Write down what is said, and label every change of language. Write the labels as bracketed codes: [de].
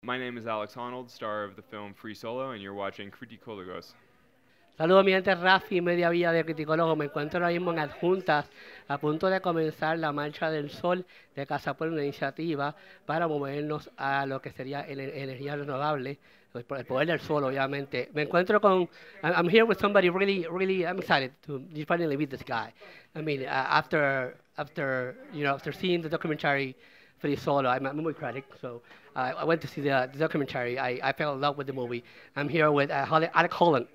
[en] My name is Alex Honnold, star of the film Free Solo, and you're watching Criticologos. [es] Saludos, mi gente, Rafy Mediavilla de Criticologos. Me encuentro ahora mismo en Adjuntas, a punto de comenzar la Marcha del Sol de Casa Pueblo, una iniciativa para movernos a lo que sería energía renovable, el poder del sol, obviamente. Me encuentro con, [en] I'm here with somebody really, really, I'm excited to finally meet this guy. I mean, after seeing the documentary Free Solo, I'm a movie critic, so I went to see the documentary. I fell in love with the movie. I'm here with Alex Honnold.